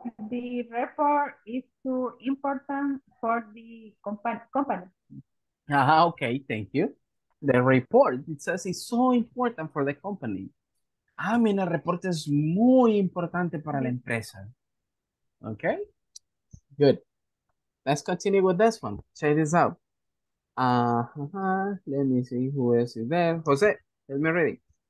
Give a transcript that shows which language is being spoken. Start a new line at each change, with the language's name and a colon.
English: The report is too important for the company. Okay, thank you. The report, it says it's so important for the company. I mean,
Spanish: el reporte es muy importante para la empresa.
English: Okay, good. Let's continue with this one. Check this out. Let me see who is there. Jose, help me ready.